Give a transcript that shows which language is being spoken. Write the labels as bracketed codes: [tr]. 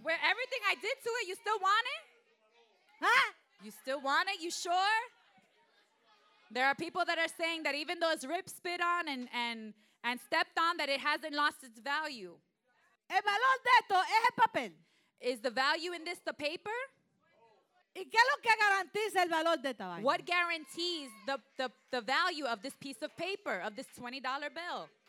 [en] With everything I did to it, you still want it? Huh? You still want it? You sure? There are people that are saying that even though it's ripped, spit on, and stepped on, that it hasn't lost its value. [es] El valor de esto es el papel. [en] Is the value in this the paper? [es] ¿Y qué es lo que garantiza el valor de esta vaina? [en] What guarantees the value of this piece of paper, of this $20 bill?